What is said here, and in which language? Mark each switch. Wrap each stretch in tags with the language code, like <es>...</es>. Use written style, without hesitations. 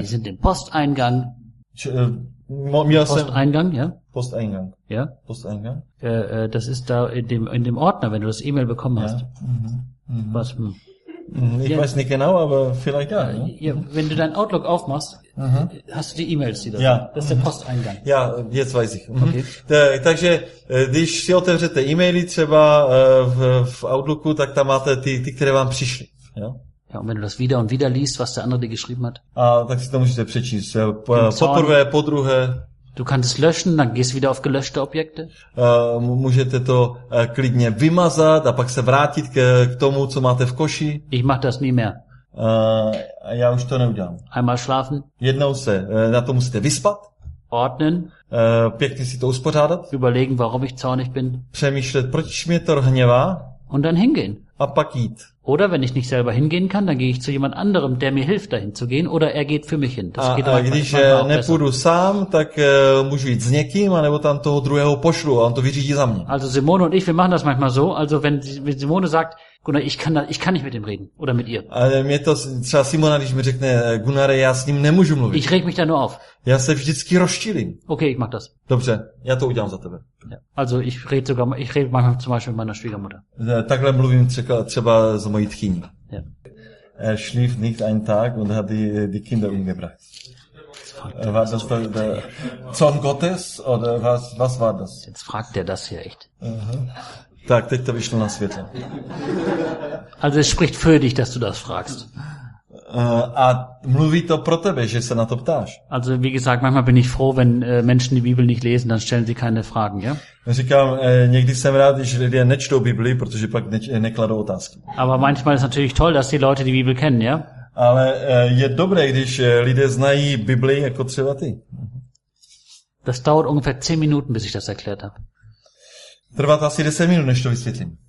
<de>Die sind im Posteingang. Posteingang, ja? Posteingang. Ja? Posteingang. Das ist da in dem Ordner, wenn du das E-Mail bekommen hast. Ja. Mhm. Mhm. Ich ja. weiß nicht genau, aber vielleicht ja. Ja, wenn du dein Outlook aufmachst, hast du die E-Mails, die da ja. sind. Das ist der Posteingang. Ja, jetzt weiß ich. Mhm. Okay.</de> <cs>Takže, když si otevřete e-maily třeba v Outlooku, tak tam máte ty, které vám přišly.</cs> <de>Ja? Ja, und wenn du das wieder und wieder liest, was der andere dir geschrieben hat.</de> <cs>A tak si to můžete přečíst. Poprvé, po druhé.</cs> <de>Du kannst es löschen, dann gehst wieder auf gelöschte Objekte.</de> <cs>Můžete to klidně vymazat a pak se vrátit k tomu, co máte v koši.</cs> <de>Ich mach das nie mehr.</de> <cs>Já už to neudělám.</cs> <de>Einmal schlafen.</de> <cs>Jednou se na to musíte vyspat.</cs> <de>Ordnen.</de> <cs>Pěkně si to uspořádat.</cs> <de>Überlegen, warum ich zornig bin.</de> <cs>Přemýšlet, proč mě to hněvá.</cs> <de>Und dann hingehen.</de> <cs>A pak jít.</cs> <de>Oder wenn ich nicht selber hingehen kann, dann gehe ich zu jemand anderem, der mir hilft, dahin zu gehen, oder er geht für mich hin. Das geht auch.</de> <cs>A když nepůjdu sám, tak můžu jít s někým, anebo tam toho druhého pošlu a on to vyřídí za mě.</cs> <de>Also Simone und ich, wir machen das manchmal so. Also wenn Simone sagt, Gunnar, ich kann nicht mit ihm reden oder mit ihr.</de> <cs>Ale mě to třeba Simona, když mi řekne, Gunnar, já s ním nemůžu mluvit.</cs> <de>Ich reg mich da nur auf.</de> <cs>Já se vždycky rozčilím.</cs> <de>Okay, ich mach das.</de> <cs>Dobře, já to udělám za tebe.</cs> <de>Ja. Also ich rede manchmal zum Beispiel mit meiner Schwiegermutter.</de> <cs>Takhle mluvím třeba z mojí tchyní.</cs> <de>Ja. Er schlief nicht einen Tag und hat die Kinder umgebracht. War das der Zorn Gottes oder was war das? Jetzt fragt er das hier echt.</de> <cs>Tak, teď to vyšlo na světlo.</cs> <de>Also es spricht für dich, dass du das fragst.</de> <cs>A mluví to pro tebe, že se na to ptáš.</cs> <de>Also wie gesagt, manchmal bin ich froh, wenn Menschen die Bibel nicht lesen, dann stellen sie keine Fragen, ja?</de> <cs>Říkám, někdy jsem rád, když lidé nečtou Bibli, protože pak nekladou otázky.</cs> <de>Aber manchmal ist natürlich toll, dass die Leute die Bibel kennen, ja?</de> <cs>Ale je dobré, když lidé znají Bibli jako třeba ty.</cs> <de>Das dauert ungefähr 10 Minuten, bis ich das erklärt habe.</de> <cs>Trvá to asi 10 minut, než to vysvětlím.</cs>